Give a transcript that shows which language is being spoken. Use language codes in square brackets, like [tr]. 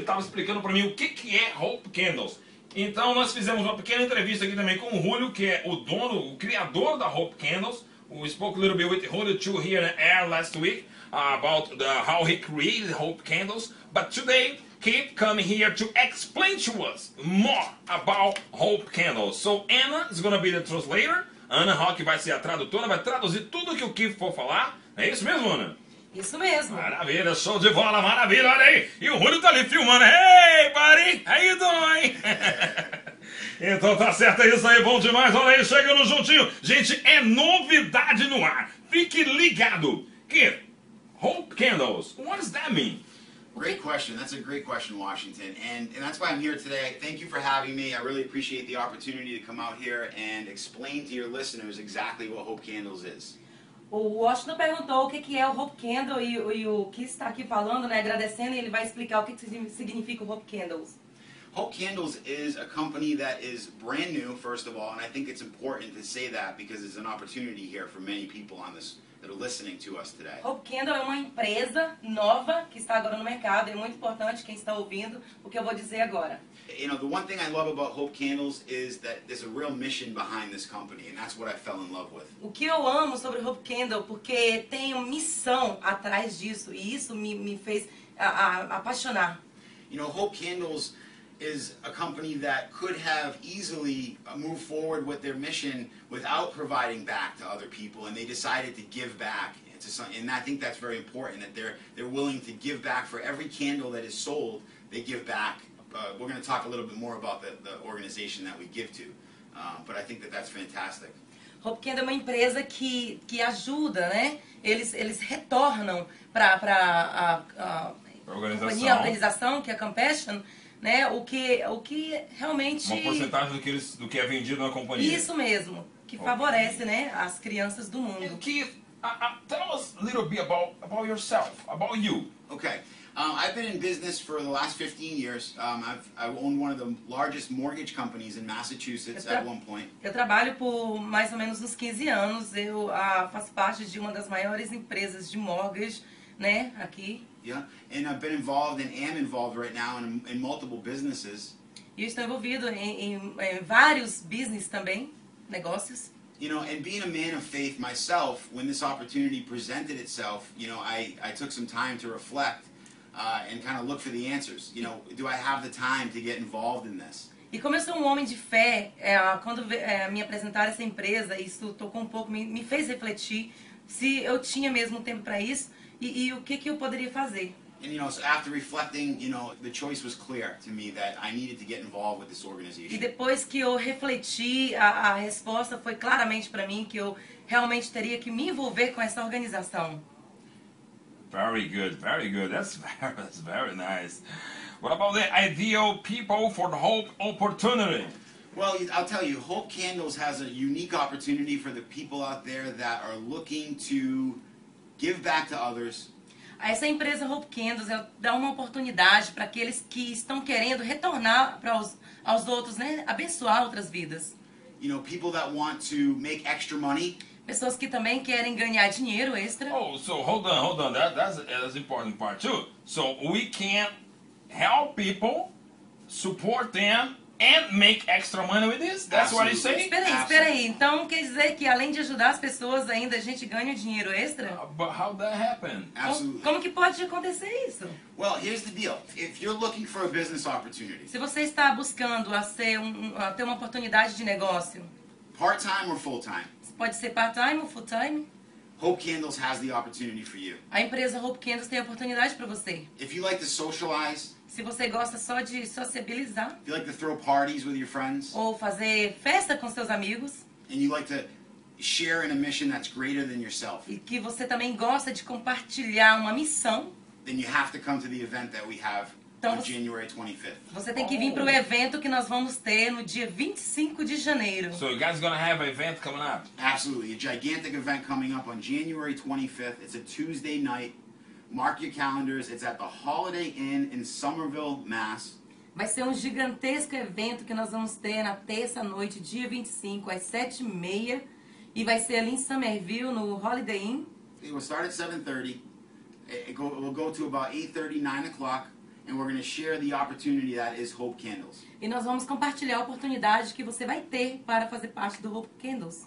[pt] Ele estava explicando para mim o que é Hope Candles. Então nós fizemos uma pequena entrevista aqui também com o Julio, que é o dono, o criador da Hope Candles. [en] We spoke a little bit with Julio too here in the air last week about how he created Hope Candles. But today, Keith come here to explain to us more about Hope Candles. So, Anna is going to be the translator. [pt] Anna Hawke vai ser a tradutora, vai traduzir tudo que o Keith for falar. É isso mesmo, Anna? Isso mesmo. Maravilha, show de bola, maravilha, olha aí. E o Julio tá ali filmando. [en] Hey, buddy, how you doing? [pt] Então tá certo, é isso aí, bom demais, olha aí, chegando juntinho. Gente, é novidade no ar, fique ligado. Que [en] Hope Candles, what does that mean? Great question, that's a great question, Washington. And that's why I'm here today. Thank you for having me. I really appreciate the opportunity to come out here and explain to your listeners exactly what Hope Candles is. [pt] O Washington perguntou o que é o Hope Candle e o que está aqui falando, né, agradecendo, e ele vai explicar o que significa o Hope Candles. [en] Hope Candles is a company that is brand new, first of all, and I think it's important to say that because it's an opportunity here for many people on this that are listening to us today. [pt] Hope Candle é uma empresa nova que está agora no mercado, e é muito importante quem está ouvindo o que eu vou dizer agora. [en] You know, the one thing I love about Hope Candles is that there's a real mission behind this company, and that's what I fell in love with. [pt] O que eu amo sobre Hope Candle, porque tem uma missão atrás disso, e isso me fez apaixonar. [en] You know, Hope Candles is a company that could have easily moved forward with their mission without providing back to other people, and they decided to give back to some, and I think that's very important that they're willing to give back for every candle that is sold. They give back. We're going to talk a little bit more about the organization that we give to, but I think that's fantastic. [pt] Hope Candle é uma empresa que ajuda, né? Eles retornam para a organização que é Compassion. Né, o que realmente uma porcentagem do que é vendido na companhia, isso mesmo, que favorece, okay, né, as crianças do mundo. [en] Keith, tell us a little bit about yourself, about you. Okay, I've been in business for the last 15 years. I've owned one of the largest mortgage companies in Massachusetts at one point. [pt] Eu trabalho por mais ou menos uns 15 anos. Eu faço parte de uma das maiores empresas de mortgage, né, aqui. [en] Yeah, and I've been involved and am involved right now in multiple businesses. [pt] E estou envolvido em vários business também, negócios. [en] You know, and being a man of faith myself, when this opportunity presented itself, you know, I took some time to reflect and kind of look for the answers. You know, do I have the time to get involved in this? [pt] E como eu sou um homem de fé, quando me apresentaram essa empresa, isso tocou um pouco, me fez refletir se eu tinha mesmo tempo para isso. E o que eu poderia fazer? [en] And, you know, so after reflecting, you know, the choice was clear to me that I needed to get involved with this organization. [pt] E depois que eu refleti, a resposta foi claramente para mim que eu realmente teria que me envolver com essa organização. [en] Very good, very good. That's very nice. What about the ideal people for the Hope opportunity? Well, I'll tell you, Hope Candles has a unique opportunity for the people out there that are looking to give back to others. [pt] Essa empresa Hope Candles dá uma oportunidade para aqueles que estão querendo retornar para aos outros, né? Abençoar outras vidas. [en] You know, people that want to make extra money. [pt] Pessoas que também querem ganhar dinheiro extra. [en] Oh, so hold on. That's important part too. So we can help people, support them and make extra money with this? That's absolutely. What you say? [pt] Espera aí. Então quer dizer que além de ajudar as pessoas, ainda a gente ganha dinheiro extra? [en] But how that happen? Absolutely. [pt] Como que pode acontecer isso? [en] Well, here's the deal. If you're looking for a business opportunity. [pt] Se você está buscando a ter uma oportunidade de negócio. [en] Part-time or full-time? [pt] Pode ser part-time ou full-time? [en] Hope Candles has the opportunity for you. [pt] A empresa Hope Candles tem a oportunidade para você. [en] If you like to socialize. [pt] Se você gosta só de sociabilizar. [en] If you like to throw parties with your friends. [pt] Ou fazer festa com seus amigos. [en] And you like to share in a mission that's greater than yourself. [pt] E que você também gosta de compartilhar uma missão. [en] Then you have to come to the event that we have. [pt] Então, [en] on January 25th. [pt] Você tem que vir para o evento que nós vamos ter no dia 25 de janeiro. [en] So you guys are going to have an event coming up? Absolutely, a gigantic event coming up on January 25th. It's a Tuesday night. Mark your calendars. It's at the Holiday Inn in Somerville, Mass. [pt] Vai ser um gigantesco evento que nós vamos ter na terça noite, dia 25, às 7:30. E vai ser ali em Somerville, no Holiday Inn. [en] It will start at 7:30. It will go to about 8:30, 9 o'clock. And we're going to share the opportunity that is Hope Candles. [pt] E nós vamos compartilhar a oportunidade que você vai ter para fazer parte do Hope Candles.